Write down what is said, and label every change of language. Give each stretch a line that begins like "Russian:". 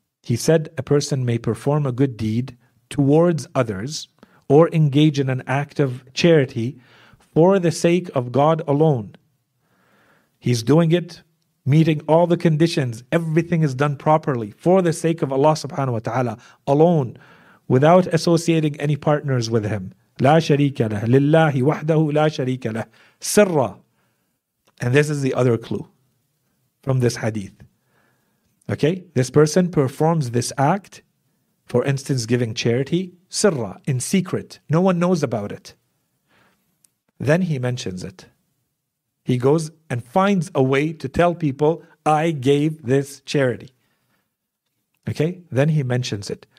English: He said, a person may perform a good deed towards others or engage in an act of charity for the sake of God alone. He's doing it, meeting all the conditions, everything is done properly for the sake of Allah subhanahu wa ta'ala alone, without associating any partners with him.
Arabic: لا شريك له لله وحده لا شريك له سرا.
English: And this is the other clue from this hadith. Okay, this person performs this act For instance, giving charity, sirra, in secret. No one knows about it. Then he mentions it. He goes and finds a way to tell people, I gave this charity. Okay? Then he mentions it.